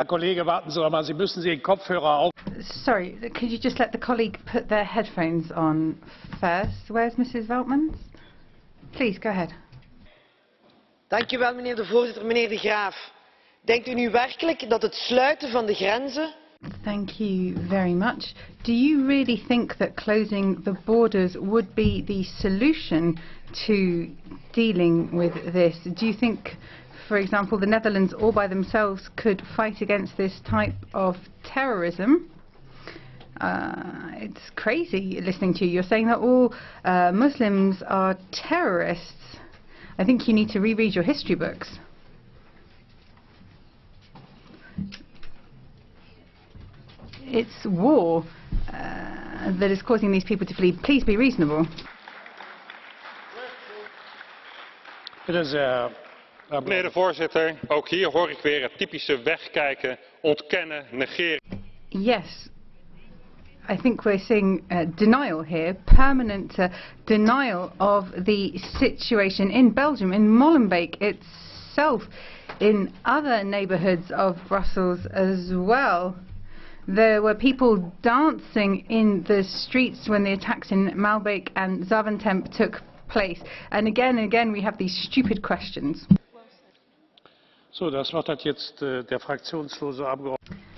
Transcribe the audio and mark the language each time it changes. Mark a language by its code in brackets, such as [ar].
[de] Herr Kollege, warten Sie mal, Sie müssen Sie Kopfhörer auf. [en] Sorry, could you just let the colleague put their headphones on first? Where's Mrs. Vautmans? Please, go ahead. [nl] Dank u wel, meneer de voorzitter. Meneer de Graaf, denkt u nu werkelijk dat het sluiten van de grenzen... [en] Thank you very much. Do you really think that closing the borders would be the solution to dealing with this? Do you think, for example, the Netherlands all by themselves could fight against this type of terrorism? It's crazy listening to you. You're saying that all Muslims are terrorists. I think you need to reread your history books. It's war. that is causing these people to flee. Please be reasonable. [nl] Meneer de voorzitter, ook hier hoor ik weer het typische wegkijken, ontkennen, negeren. [en] Yes, I think we're seeing denial here, permanent denial of the situation in Belgium, in Molenbeek itself, in other neighbourhoods of Brussels as well. There were people dancing in the streets when the attacks in Malbeek and Zaventem took place. And again, we have these stupid questions. [de] So, das Wort hat jetzt der fraktionslose Abgeordnete.